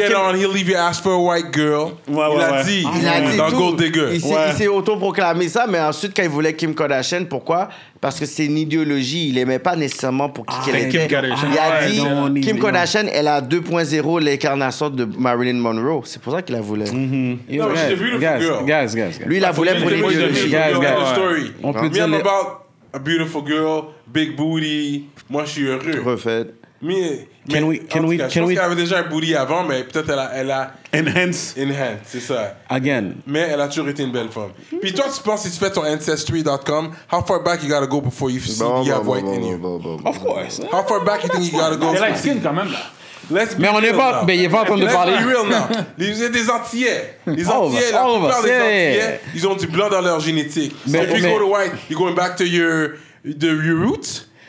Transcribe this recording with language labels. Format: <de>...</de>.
<en>When you get on, he'll leave your ass for a white girl.</en> <fr>Il a dit dans Gold Digger. Il s'est autoproclamé ça, mais ensuite, quand il voulait Kim Kardashian, pourquoi? Parce que c'est une idéologie. Il aimait pas nécessairement pour qui qu'elle était. Il a dit, Kim Kardashian, elle a 2.0 l'incarnation de Marilyn Monroe. C'est pour ça qu'il la voulait. Lui, il la voulait pour l'idéologie.</fr> <en>Me, I'm about a beautiful girl, big booty.</en> <fr>Moi, je suis heureux. Refait. Je pense qu'elle avait déjà un booty avant, mais peut-être elle a...</fr> <en>Enhanced,</en> <fr>c'est ça.</fr> <en>Again.</en> <fr>Mais elle a toujours été une belle femme.</fr> <en>Mm-hmm.</en> <fr>Puis toi, tu penses, si tu fais ton</fr> <en>Ancestry.com, how far back you gotta go before you see you have white in you? Of course. How far back you think you gotta go?</en> <fr>Elle a skin quand même, là. Mais on n'est pas,</fr> <en>now.</en> <fr>Mais il est pas en train de</fr> <en>let's</en> <fr>parler.</fr> <en>Be real now.</en> <fr>Les Antillais, ils ont du blanc dans leur génétique.</fr> <en>Mais so if you go to white, you're going back to your roots.</en>